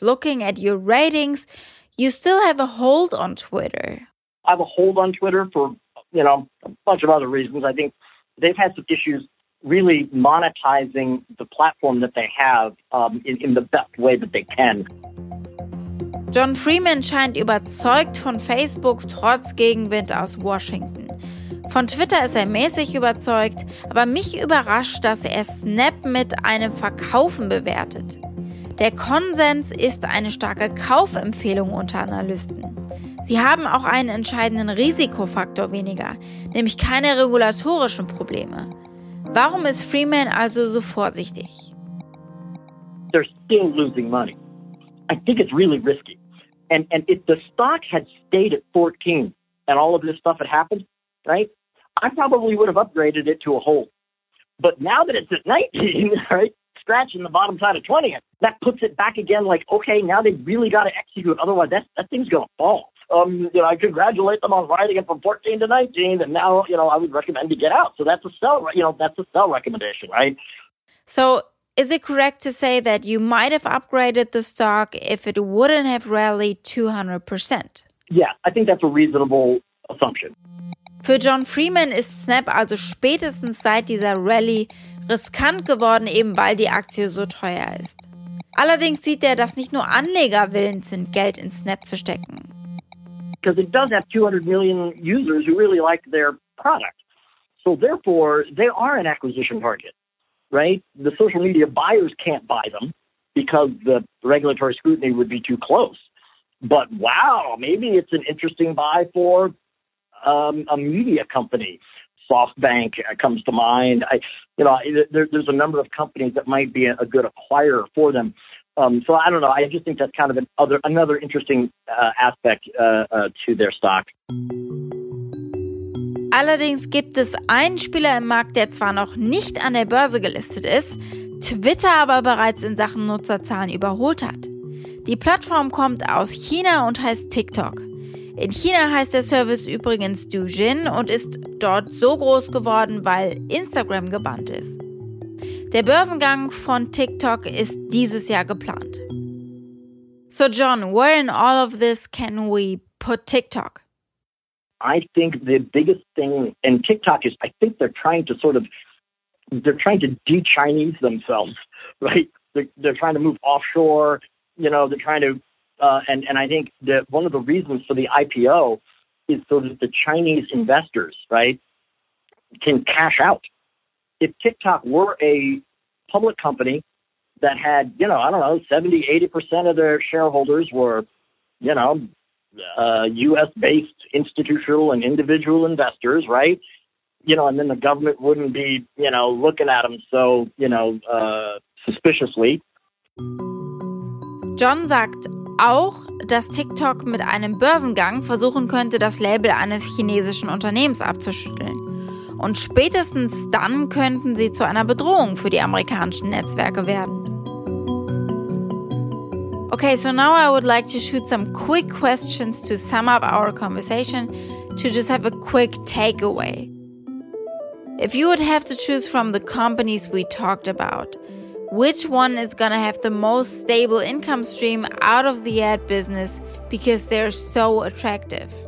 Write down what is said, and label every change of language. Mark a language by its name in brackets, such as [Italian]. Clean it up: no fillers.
[English] Looking at your ratings, you still have a hold on Twitter. I have a hold on Twitter for, you know, a bunch of other reasons. I think they've had some issues really monetizing the platform that they have in the best way that they can. [German] John Freeman scheint überzeugt von Facebook trotz Gegenwind aus Washington. Von Twitter ist er mäßig überzeugt, aber mich überrascht, dass er Snap mit einem Verkaufen bewertet. Der Konsens ist eine starke Kaufempfehlung unter Analysten. Sie haben auch einen entscheidenden Risikofaktor weniger, nämlich keine regulatorischen Probleme. Warum ist Freeman also so vorsichtig? [English] They're still losing money. I think it's really risky. And if the stock had stayed at 14 and all of this stuff had happened, right, I probably would have upgraded it to a hold. But now that it's at 19, right, scratching the bottom side of 20, that puts it back again like, okay, now they really got to execute. Otherwise, that thing's going to fall. You know, I congratulate them on riding it from 14 to 19, and now, you know, I would recommend to get out. So that's a sell, you know, that's a sell recommendation, right? So is it correct to say that you might have upgraded the stock if it wouldn't have rallied 200%? Yeah, I think that's a reasonable assumption. [German] Für John Freeman ist Snap also spätestens seit dieser Rallye riskant geworden, eben weil die Aktie so teuer ist. Allerdings sieht er, dass nicht nur Anleger willens sind, Geld in Snap zu stecken. [English] Because it does have 200 million users who really like their product. So therefore, they are an acquisition target, right? The social media buyers can't buy them because the regulatory scrutiny would be too close. But wow, maybe it's an interesting buy for a media company. SoftBank comes to mind. There's a number of companies that might be a good acquirer for them. So I don't know. I just think that's kind of another interesting aspect to their stock. [German] Allerdings gibt es einen Spieler im Markt, der zwar noch nicht an der Börse gelistet ist, Twitter aber bereits in Sachen Nutzerzahlen überholt hat. Die Plattform kommt aus China und heißt TikTok. In China heißt der Service übrigens Douyin und ist dort so groß geworden, weil Instagram gebannt ist. Der Börsengang von TikTok ist dieses Jahr geplant. [English] So John, where in all of this can we put TikTok? I think the biggest thing in TikTok is I think they're trying to de-Chinese themselves, right? They're trying to move offshore, you know, they're trying to and I think that one of the reasons for the IPO is so that the Chinese investors, right, can cash out. If TikTok were a public company that had, you know, I don't know, 70-80% of their shareholders were, you know, U.S.-based institutional and individual investors, right? You know, and then the government wouldn't be, you know, looking at them so, you know, suspiciously. [German] John sagt auch, dass TikTok mit einem Börsengang versuchen könnte, das Label eines chinesischen Unternehmens abzuschütteln. Und spätestens dann könnten sie zu einer Bedrohung für die amerikanischen Netzwerke werden. [English] Okay, so now I would like to shoot some quick questions to sum up our conversation, to just have a quick takeaway. If you would have to choose from the companies we talked about, which one is gonna have the most stable income stream out of the ad business because they're so attractive?